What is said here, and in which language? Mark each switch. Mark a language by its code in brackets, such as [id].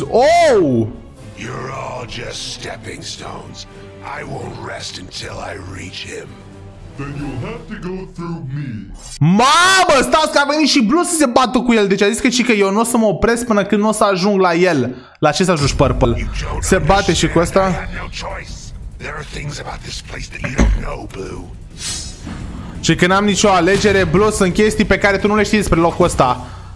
[en] Oh! You're all just stepping stones. I won't rest until I reach him. Then you'll have to go through me. [ro] Mamă, stați că a venit și Blue să se bată cu el. Deci a zis că și că eu nu o să mă opresc până când nu o să ajung la el. La ce să ajungi, Purple? Se bate și cu ăsta. [en] There are things about this place that you don't know, Blue. [ro] Și că n-am nicio alegere, Blue, sunt chestii pe care tu nu le știi despre locul ăsta.